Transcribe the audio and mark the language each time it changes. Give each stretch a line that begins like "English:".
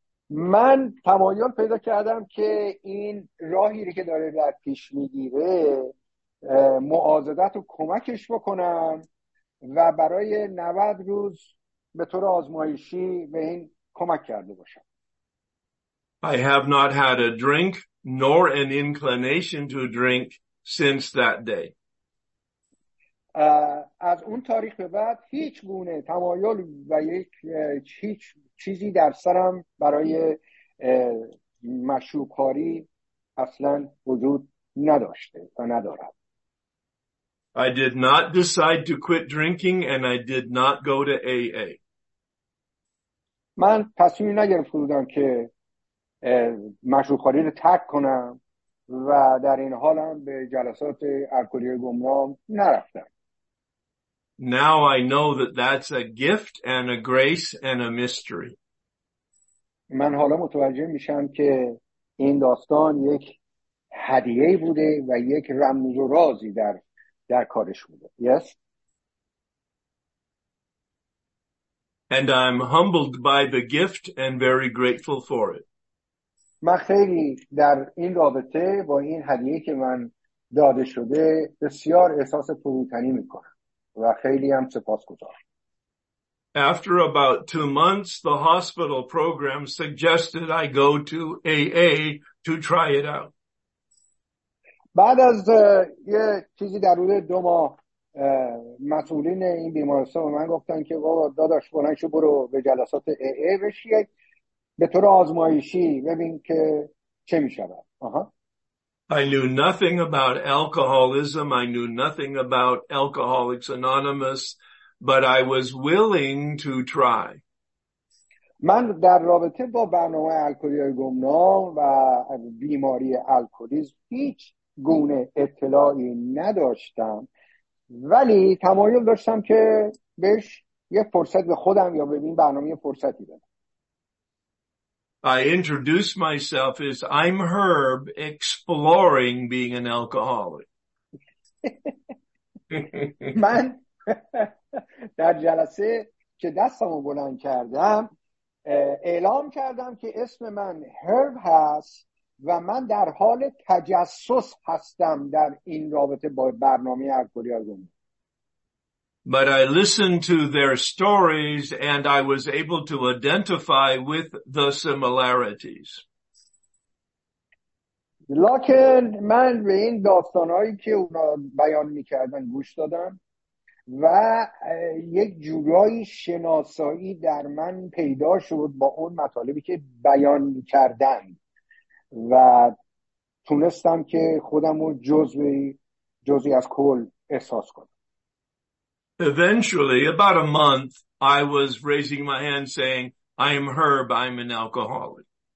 Persian: من تمایل پیدا کردم که این راهی که داره در پیش میگیره معاذرت و کمکش بکنم و برای 90 روز به طور آزمایشی به این کمک کرده باشم.
English: I have not had a drink nor an inclination to drink since that day.
Persian: از اون تاریخ به بعد هیچ گونه تمایل و هیچ چیزی در سرم برای مشروب‌خواری اصلا وجود نداشته و ندارد.
English: I did not decide to quit drinking and I did not go to AA.
Persian: من تصمیم نگرفته بودم که مشروب خوری رو ترک کنم و در این حالم به جلسات الکلی گمنام نرفتم.
English: Now I know that that's a gift and a grace and a mystery.
Persian: من حالا متوجه میشم که این داستان یک هدیه بوده و یک رمز و رازی در کارش بوده.
English: Yes. And I'm humbled by the gift and very grateful for it.
Persian: من خیلی در این رابطه با این هدیه که من داده شده بسیار احساس فروتنی میکنم و خیلی هم سپاسگزارم.
English: After about 2 months, the hospital program suggested I go to AA to try it out.
Persian: بعد از یه چیزی در حدود 2 ماه مسئولین این بیمارستان به من گفتن که بابا داداش بلنشو برو به جلسات AA بشی به طور آزمایشی ببین که چه میشود.
English: I knew nothing about alcoholism. I knew nothing about Alcoholics Anonymous, but I was willing to try.
Persian: من در رابطه با برنامه الکلی گمنام و بیماری الکلیسم هیچ گونه اطلاعی نداشتم ولی تمایل داشتم که بهش یه فرصت به خودم یا به این برنامه یه فرصتی بدم.
English: I introduced myself as I'm Herb exploring being an alcoholic.
Persian: من در جلسه که دستمو بلند کردم اعلام کردم که اسم من هرب هست و من در حال تجسس هستم در این رابطه با برنامه الکلی آزمون.
English: But I listened to their stories and I was able to identify with the similarities.
Persian: لکن من به این داستانهایی که اونا بیان می کردن گوش دادم و یک جورایی شناسایی در من پیدا شد با اون مطالبی که بیان می کردن و تونستم که خودم رو جزوی از کل احساس کنم.
English: Eventually, about a month, I was raising my hand saying, I am Herb, I'm an alcoholic.